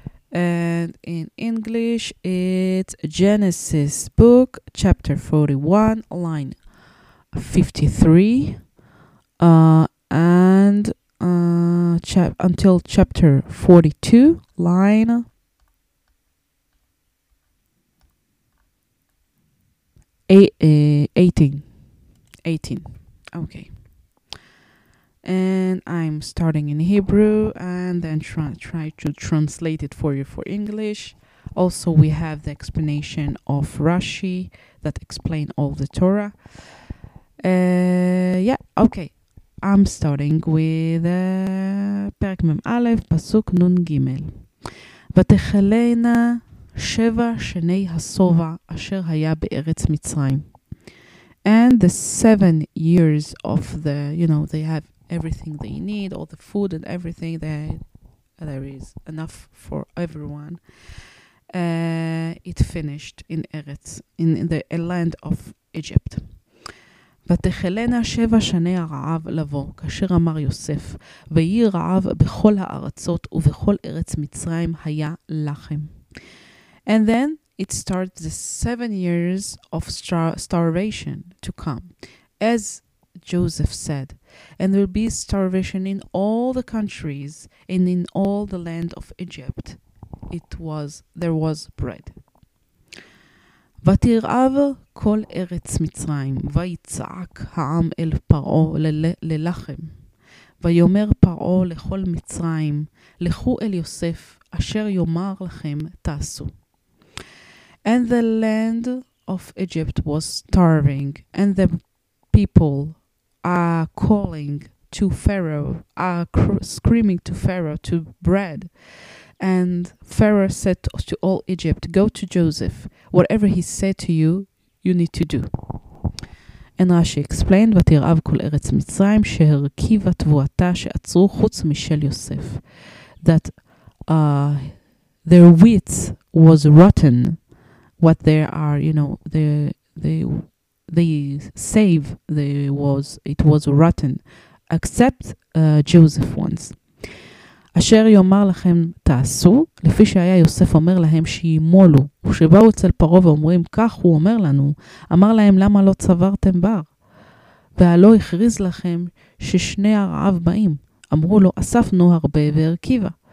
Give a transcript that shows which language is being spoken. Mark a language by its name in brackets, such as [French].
[English] And in English, it's Genesis book, chapter 41, line 53, and until chapter 42, line 18. Okay. And I'm starting in Hebrew and then try to translate it for you for English. Also, we have the explanation of Rashi that explain all the Torah. Okay. I'm starting with [Hebrew] פרק מם א', פסוק נון ג'. ותחלנה שבע שני הסובע אשר היה בארץ מצרים. [English] And the 7 years of the, they have everything they need, all the food and everything, there is enough for everyone. It finished in Eretz, in the land of Egypt. [Hebrew] ותחלנה שבע שני הרעב לבוא, כאשר אמר יוסף, ויהי רעב בכל הארצות ובכל ארץ מצרים היה לחם. [English] And then it starts the 7 years of starvation to come. As Joseph said, and there will be starvation in all the countries and in all the land of Egypt. There was bread. [Hebrew] ותרעב כל ארץ מצרים, ויצעק העם אל פרעה ללחם. ויאמר פרעה לכל מצרים, לכו אל יוסף, אשר יאמר לכם תעשו. [English] And the land of Egypt was starving, and the people are calling to Pharaoh, screaming to Pharaoh to bread. And Pharaoh said to all Egypt, go to Joseph. Whatever he said to you, you need to do. And Rashi explained, [Hebrew] ותרעב כל ארץ מצרים שהרכיבה תבואתה שעצרו חוץ משל יוסף. [English] That their wits was rotten. What they are, it was rotten. Except Joseph once. [Hebrew] אשר יאמר לכם תעשו, לפי שהיה יוסף אומר להם שימולו, ושבאו אצל פרעה ואומרים כך הוא אומר לנו, אמר להם למה לא צברתם בר? והלא הכריז לכם ששני הרעב באים, אמרו לו אספנו הרבה והרכיבה.